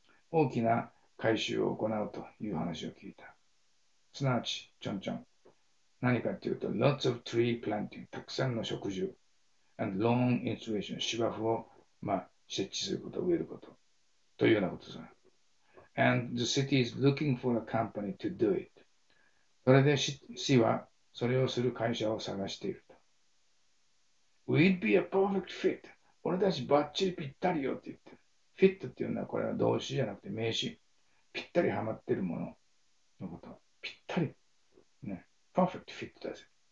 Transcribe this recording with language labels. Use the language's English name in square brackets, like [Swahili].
[Japanese] 大きな改修を行うという話を聞いた。すなわち、ちょんちょん。何かっていうと、 [English] lots of tree planting。 [Japanese] たくさんの植樹。 [English] and lawn installation。 [Japanese] 芝生を、まあ、設置すること、植えること。というようなことさ。 [English] and the city is looking for a company to do it。 [Japanese] それで、市は、それをする会社を探していると。 [English] We'd be a perfect fit. [Japanese] 俺たちバッチリぴったりよって言って。フィットっていうのはこれは動詞じゃなくて名詞。ぴったりはまってるもののこと。ぴったり。ね。パーフェクトフィットです。